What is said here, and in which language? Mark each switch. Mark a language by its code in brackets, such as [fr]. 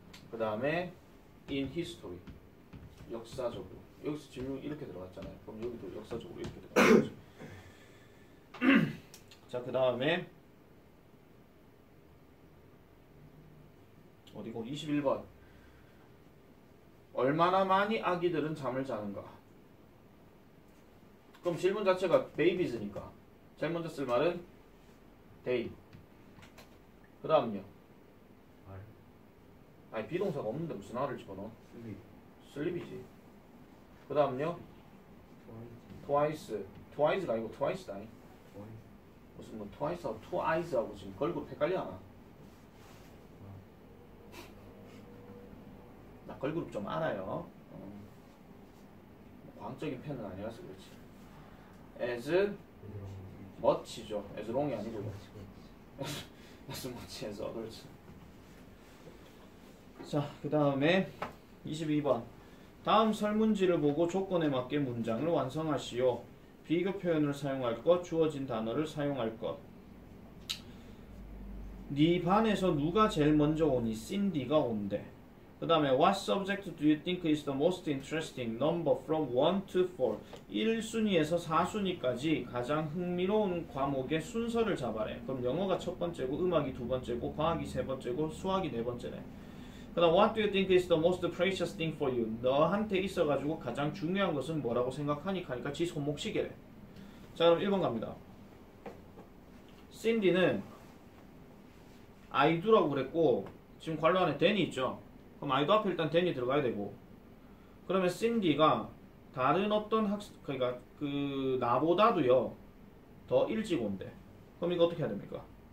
[ko] 그다음에 [en] in history. [ko] 역사적으로. 여기서 질문 이렇게 들어갔잖아요. 그럼 여기도 역사적으로 이렇게 들어갔죠. 자, 그 다음에 어디고 21번. 얼마나 많이 아기들은 잠을 자는가? 그럼 질문 자체가 babies니까 제일 먼저 쓸 말은 they. 그 다음요. 아니, 비동사가 없는데 무슨 R을 집어넣어? sleep이지. 그 다음요? twice가 아니고 twice다. 무슨 뭐 twice하고 two eyes하고 지금 걸그룹 헷갈려하나? 나 걸그룹 좀 알아요. 광적인 팬은 아니라서 그렇지. as much죠. as long이 아니고 [en] as much as others. [ko] 자, 그 다음에 22번. 다음 설문지를 보고 조건에 맞게 문장을 완성하시오. 비교 표현을 사용할 것, 주어진 단어를 사용할 것. 네 반에서 누가 제일 먼저 오니? Cindy가 온대. 그 다음에 [en] What subject do you think is the most interesting? Number from 1 to 4. [ko] 1순위에서 4순위까지 가장 흥미로운 과목의 순서를 잡아래. 그럼 영어가 첫 번째고, 음악이 두 번째고, 과학이 세 번째고, 수학이 네 번째네. 그 다음 [en] What do you think is the most precious thing for you? [ko] 너한테 있어가지고 가장 중요한 것은 뭐라고 생각하니? 하니까 지 손목시계래. 자, 그럼 1번 갑니다. Cindy는 [en] I do [ko] 라고 그랬고, 지금 괄호 안에 then이 있죠. 그럼 [en] I do [ko] 앞에 일단 then이 들어가야 되고, 그러면 Cindy가 다른 어떤 학습, 그러니까 그 나보다도요 더 일찍 온대. 그럼 이거 어떻게 해야 됩니까?